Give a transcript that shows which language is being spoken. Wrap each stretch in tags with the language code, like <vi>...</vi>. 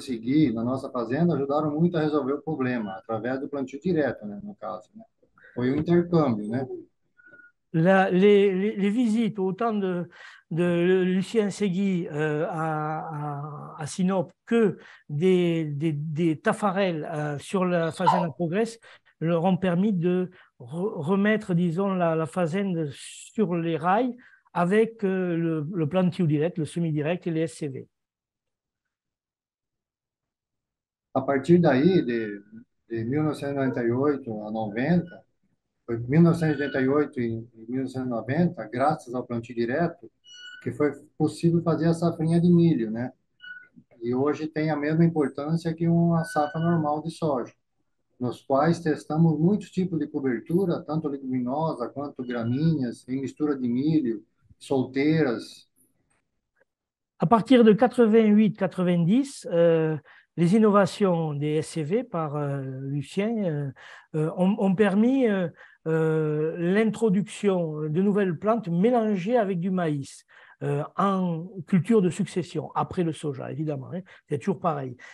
<pt>Segui na nossa fazenda ajudaram muito a resolver o problema através do plantio direto, né, no caso, né? Foi um intercâmbio, né?</pt> <fr>Les visites, autant de Lucien Segui à Sinop que des Taffarel sur la Fazenda Progresse, leur ont permis de remettre, disons, la Fazenda sur les rails avec le plantio direct, le semi-direct et les SCV.</fr> <pt>À partir daí, de 1998 a 90, foi 1998 e 1990, graças ao plantio direto, que foi possível fazer a safrinha de milho, né? E hoje tem a mesma importância que uma safra normal de soja, nos quais testamos muitos tipos de cobertura, tanto leguminosa quanto gramíneas, em mistura de milho, solteiras.</pt> <fr>À partir de 88-90, les innovations des SCV par Lucien ont permis l'introduction de nouvelles plantes mélangées avec du maïs en culture de succession, après le soja, évidemment, hein, c'est toujours pareil.</fr>